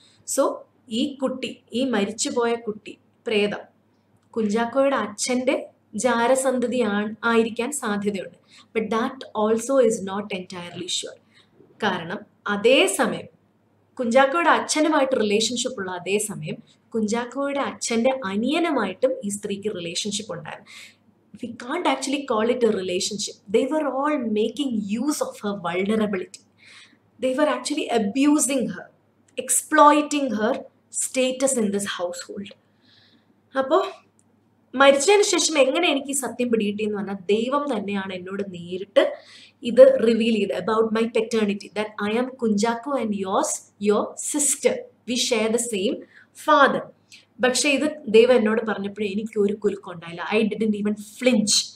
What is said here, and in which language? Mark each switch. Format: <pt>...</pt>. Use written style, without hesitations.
<ml>So ഈ കുട്ടി, ഈ മരിച്ചുപോയ കുട്ടി, പ്രേതം കുഞ്ചാക്കോയുടെ അച്ഛൻ്റെ ജാരസന്തതിയാണ് ആയിരിക്കാൻ സാധ്യതയുണ്ട്.</ml> <en>But that also is not entirely sure.</en> <ml>കാരണം അതേസമയം കുഞ്ചാക്കോയുടെ അച്ഛനുമായിട്ട് റിലേഷൻഷിപ്പ് ഉള്ള അതേസമയം കുഞ്ചാക്കോയുടെ അച്ഛൻ്റെ അനിയനുമായിട്ടും ഈ സ്ത്രീക്ക് റിലേഷൻഷിപ്പ് ഉണ്ടായിരുന്നു.</ml> <en>we can't actually call it a relationship. They were all making use of her vulnerability. They were actually abusing her, exploiting her status in this household.</en> <ml>അപ്പോൾ മരിച്ചതിന് ശേഷം എങ്ങനെ എനിക്ക് ഈ സത്യം പിടികിട്ടി എന്ന് പറഞ്ഞാൽ ദൈവം തന്നെയാണ് എന്നോട് നേരിട്ട് ഇത് റിവീൽ ചെയ്തത്</ml> <en>About my paternity that I am Kunchacko and yours your sister we share the same father.</en> <ml>പക്ഷേ ഇത് ദൈവം എന്നോട് പറഞ്ഞപ്പോഴേ എനിക്ക് ഒരു കുലുക്കുണ്ടായില്ല.</ml> <en>I didn't even flinch.</en>